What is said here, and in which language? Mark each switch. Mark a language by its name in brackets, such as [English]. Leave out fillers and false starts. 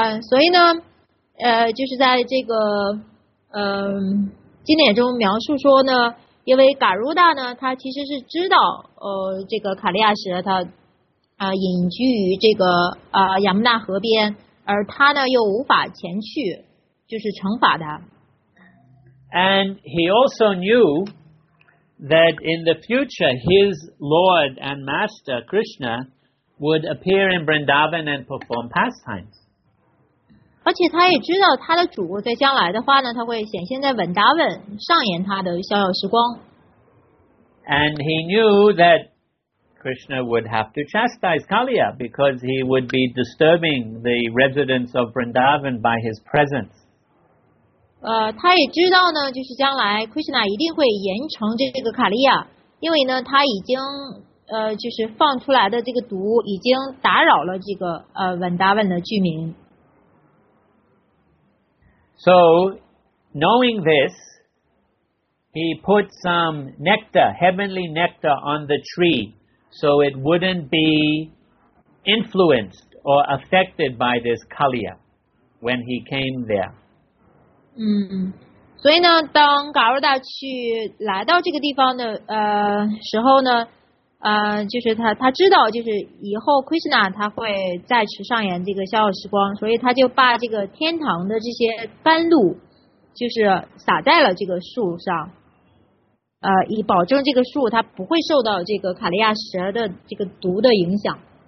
[Chinese] 所以呢，就是在这个经典中描述说呢，因为Garuda呢，他其实是知道这个卡利亚蛇他隐居于这个亚穆纳河边，而他呢又无法前去，就是惩罚他。 [English] And he also knew that in the future, his Lord and Master, Krishna, would appear in Vrindavan and perform pastimes. [Chinese] 而且他也知道他的主在将来的话呢，他会显现在 Vrindavan, 上演他的逍遥时光。 [English] And he knew that Krishna would have to chastise Kalia because he would be disturbing the residents of Vrindavan by his presence. [Chinese] 他也知道呢，就是将来 Krishna 一定会严惩这个卡利亚，因为呢，他已经就是放出来的这个毒已经打扰了这个Vrindavan的居民。 [English] So, knowing this, he put some nectar, heavenly nectar, on the tree so it wouldn't be influenced or affected by this Kalia when he came there. [Chinese] 所以呢，当嘎尔达去来到这个地方的时候呢，就是他知道，就是以后 Krishna 他会再次上演这个逍遥时光，所以他就把这个天堂的这些甘露，就是撒在了这个树上，以保证这个树它不会受到这个卡利亚蛇的这个毒的影响。